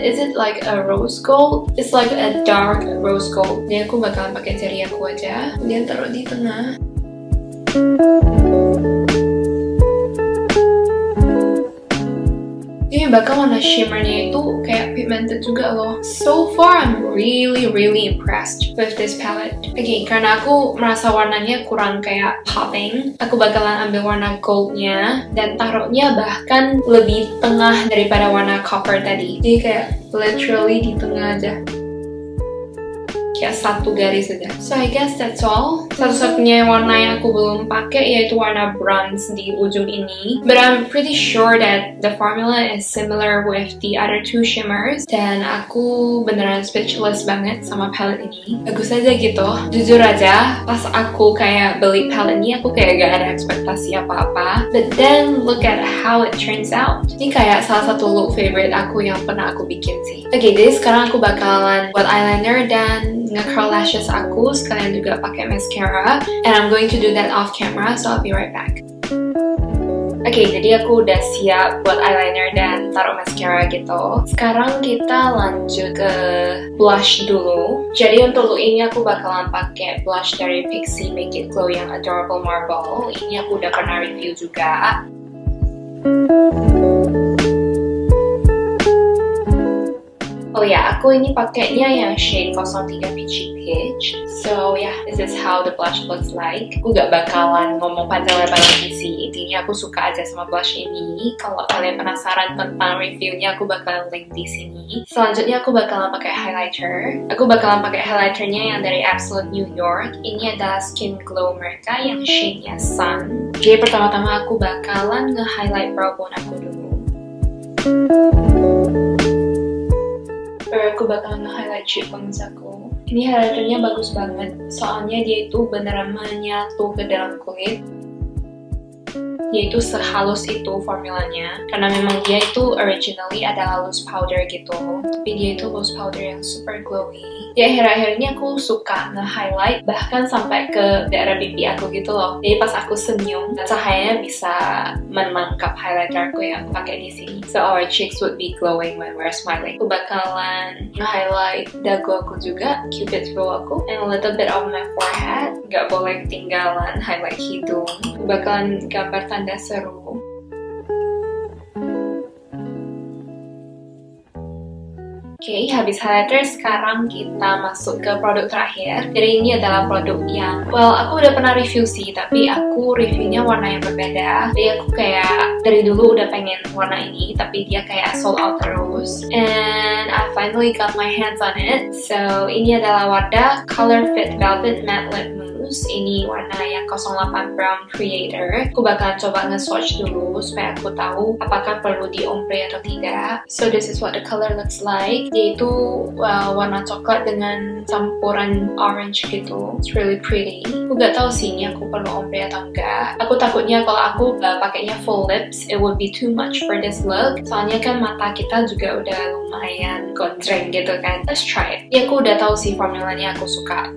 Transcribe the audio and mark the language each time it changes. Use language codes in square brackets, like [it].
[en] Is it like a rose gold? It's like a dark rose gold. [id] Jadi aku bakalan pakai jari aku aja. Kemudian taruh di tengah. Ini bakal warna shimmernya itu kayak pigmented juga loh. [en] So far I'm really really impressed with this palette. [id] Okay, karena aku merasa warnanya kurang kayak popping, aku bakalan ambil warna goldnya dan taruhnya bahkan lebih tengah daripada warna copper tadi. Jadi kayak literally di tengah aja. Kayak satu garis aja. [en] So I guess that's all. [id] Satu-satunya warna yang aku belum pakai yaitu warna bronze di ujung ini. [en] But I'm pretty sure that the formula is similar with the other two shimmers. [id] Dan aku beneran speechless banget sama palette ini. Bagus aja gitu. Jujur aja, pas aku kayak beli palette ini, aku kayak gak ada ekspektasi apa-apa. [en] But then look at how it turns out. [id] Ini kayak salah satu look favorite aku yang pernah aku bikin sih. Okay, jadi sekarang aku bakalan buat eyeliner dan nge-curl lashes aku, sekalian juga pakai mascara. [en] And I'm going to do that off camera, so I'll be right back. [id] Okay, jadi aku udah siap buat eyeliner dan taruh mascara gitu. Sekarang kita lanjut ke blush dulu. Jadi untuk look ini aku bakalan pakai blush dari PIXY Make It Glow yang Adorable Marble. Ini aku udah pernah review juga. Oh yeah, aku ini pakainya yang shade 03 Peachy Peach. [en] So yeah, this is how the blush looks like. [id] Aku gak bakalan ngomong panjang lebar lagi sih. Intinya aku suka aja sama blush ini. Kalau kalian penasaran tentang reviewnya, aku bakalan link di sini. Selanjutnya aku bakalan pakai highlighter. Aku bakalan pakai highlighternya yang dari Absolute New York. Ini adalah Skin Glow mereka yang shade-nya Sun. Jadi pertama-tama aku bakalan nge-highlight brow bone aku dulu. Aku bakalan nge-highlight cheekbones aku. Ini highlighternya bagus banget, soalnya dia itu beneran menyatu ke dalam kulit. Dia itu sehalus itu formulanya, karena memang dia itu originally adalah loose powder gitu. Tapi dia itu loose powder yang super glowy. Di akhir-akhir ini aku suka nge-highlight bahkan sampai ke daerah pipi aku gitu loh. Jadi pas aku senyum, cahayanya bisa menangkap highlighter aku yang aku pakai di sini. [en] So our cheeks would be glowing when we're smiling. [id] Aku bakalan nge-highlight dagu aku juga, cupid's bow aku, [en] and a little bit of my forehead. [id] Gak boleh ketinggalan highlight hidung. Aku bakalan gambar tanda seru. Okay, habis highlighter, sekarang kita masuk ke produk terakhir. Jadi ini adalah produk yang, well, aku udah pernah review sih, tapi aku reviewnya warna yang berbeda. Jadi aku kayak dari dulu udah pengen warna ini, tapi dia kayak sold out terus. [en] And I finally got my hands on it. [id] So, ini adalah Wardah Color Fit Velvet Matte Lip Mousse. Ini warna yang 08 Brown Creator. Aku bakalan coba nge-swatch dulu supaya aku tahu apakah perlu di ombre atau tidak. [en] So, this is what the color looks like. [id] Yaitu warna coklat dengan campuran orange gitu. [en] It's really pretty. [id] Aku gak tau sih ini aku perlu ombre atau enggak. Aku takutnya kalau aku pakainya [en] full lips, it would be too much for this look. [id] Soalnya kan mata kita juga udah lumayan gondreng gitu kan. [en] Let's try it. [id] Ya aku udah tau sih formulanya aku suka.